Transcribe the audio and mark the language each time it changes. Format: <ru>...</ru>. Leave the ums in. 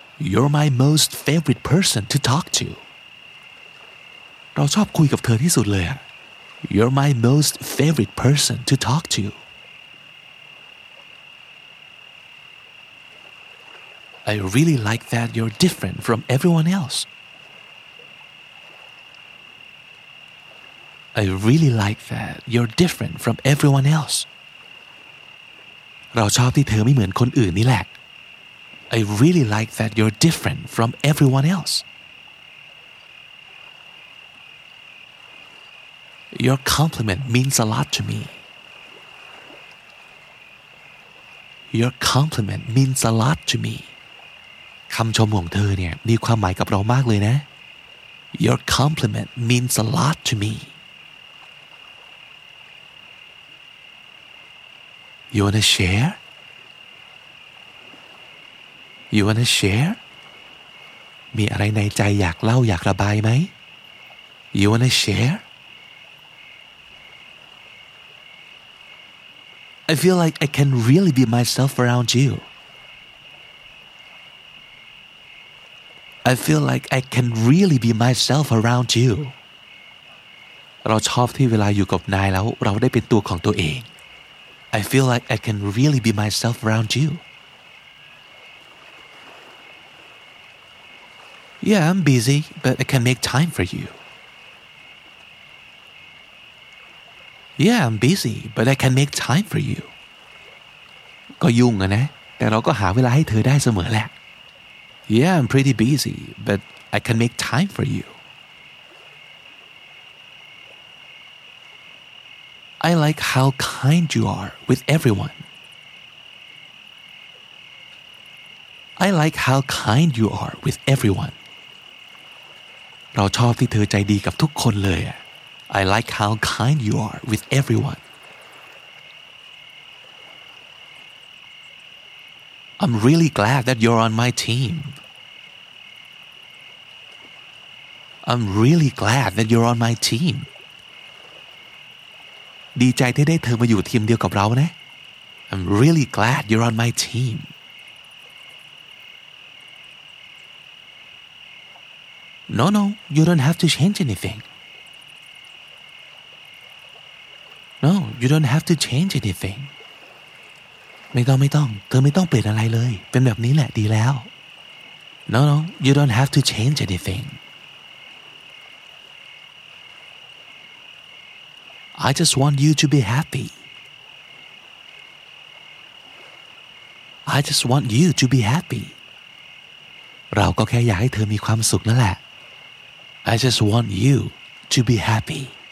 <en>You're my most favorite person to talk to.</en> <th>เราชอบคุยกับเธอที่สุดเลยอะ</th> <en>You're my most favorite person to talk to. I really like that you're different from everyone else. I really like that you're different from everyone else</en> <th>เราชอบที่เธอไม่เหมือนคนอื่นนี่แหละ</th> <en>I really like that you're different from everyone else Your compliment means a lot to me Your compliment means a lot to me</en> <th>คำชมของเธอเนี่ยมีความหมายกับเรามากเลยนะ</th> <en>Your compliment means a lot to me You wanna share? You wanna share?</en> <th>มีอะไรในใจอยากเล่าอยากระบายไหม</th> <en>You wanna share? I feel like I can really be myself around you. I feel like I can really be myself around you.</en> <th>เราชอบที่เวลาอยู่กับนายแล้วเราได้เป็นตัวของตัวเอง</th> <en>I feel like I can really be myself around you. Yeah, I'm busy, but I can make time for you. Yeah, I'm busy, but I can make time for you.</en> <th>ก็ยุ่งอะนะ แต่เราก็หาเวลาให้เธอได้เสมอแหละ</th> <en>Yeah, I'm pretty busy, but I can make time for you. I like how kind you are with everyone. I like how kind you are with everyone.</en> <th>เราชอบที่เธอใจดีกับทุกคนเลยอะ</th> <en>I like how kind you are with everyone. I'm really glad that you're on my team. I'm really glad that you're on my team.</en> <th>ดีใจที่ได้เธอมาอยู่ทีมเดียวกับเรานะ</th> <en>I'm really glad you're on my team No no you don't have to change anything No you don't have to change anything</en> <th>ไม่ต้องไม่ต้อง เธอไม่ต้องเปลี่ยนอะไรเลย เป็นแบบนี้แหละดีแล้ว</th> <en>No no you don't have to change anything I just want you to be happy. I just want you to be happy.</en> <th>เราก็แค่อยากให้เธอมีความสุขนั่นแหละ</th> <en>I just want you to be happy.</en>